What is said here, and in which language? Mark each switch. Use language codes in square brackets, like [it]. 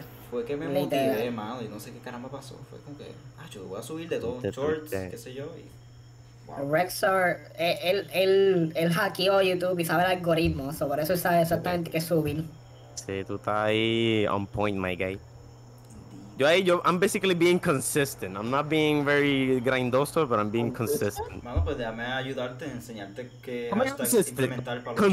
[es] Fue que me motivé, mano, y no sé qué caramba pasó. Fue como que, yo voy a subir de todo, shorts, qué sé yo, y... Wow. Rexar, él hackeó YouTube y sabe el algoritmo, so por eso sabe exactamente qué subir. Sí, tú estás ahí [en] on point, my guy. Yo, I'm basically being consistent. I'm not being very grindoso, but I'm being consistent. [es] Mano, pues déjame ayudarte, enseñarte qué hashtags implementar para los